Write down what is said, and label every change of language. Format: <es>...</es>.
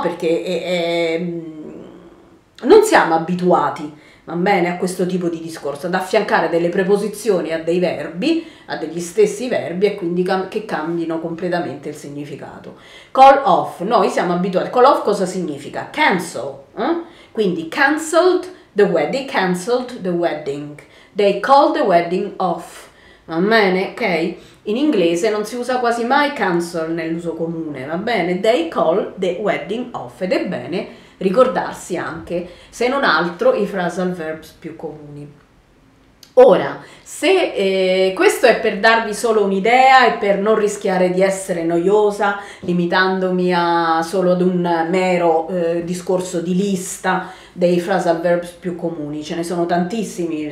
<it>Perché non siamo abituati, va bene, a questo tipo di discorso, ad affiancare delle preposizioni a dei verbi, a degli stessi verbi, e quindi che cambino completamente il significato. Call off, noi siamo abituati. Call off cosa significa? Cancel, eh? Quindi</it> <en>cancelled the wedding, cancelled the wedding. They called the wedding off.</en> <it>Va bene, ok? In inglese non si usa quasi mai cancel nell'uso comune, va bene?</it> <en>They call the wedding off,</en> <it>ed è bene ricordarsi anche, se non altro, i phrasal verbs più comuni. Ora, se questo è per darvi solo un'idea e per non rischiare di essere noiosa, limitandomi a solo ad un mero discorso di lista dei phrasal verbs più comuni, ce ne sono tantissimi.</it>